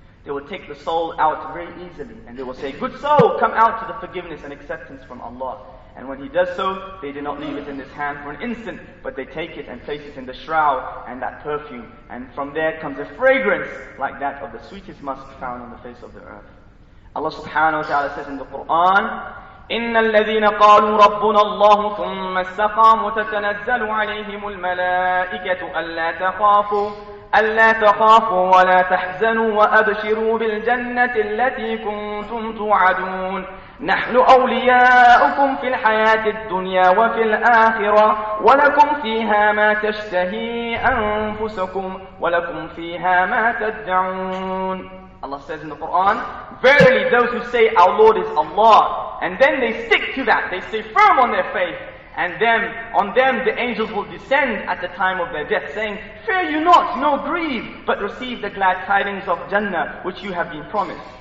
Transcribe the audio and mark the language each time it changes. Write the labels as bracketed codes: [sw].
[en] They will take the soul out very easily, and they will say, good soul, come out to the forgiveness and acceptance from Allah. And when he does so, they do not leave it in his hand for an instant, but they take it and place it in the shroud and that perfume. And from there comes a fragrance like that of the sweetest musk found on the face of the earth. Allah subhanahu wa ta'ala says in the Quran, [ar] إِنَّ الَّذِينَ قَالُوا رَبُّنَا اللَّهُ ثُمَّ اسْتَقَامُوا تَتَنَزَّلُ عَلَيْهِمُ الْمَلَائِكَةُ أَلَّا تَخَافُوا أَلَّا تَخَافُوا وَلَا تَحْزَنُوا وَأَبْشِرُوا بِالْجَنَّةِ الَّتِي كُنْتُمْ تُوعَدُونَ نحن أولياؤكم في الحياة الدنيا وفي الآخرة ولكم فيها ما تشتهي أنفسكم ولكم فيها ما تدعون. [en] Allah says in the Quran, verily those who say our Lord is Allah, and then they stick to that, they stay firm on their faith, and then on them the angels will descend at the time of their death, saying, fear you not, nor grieve, but receive the glad tidings of Jannah, which you have been promised.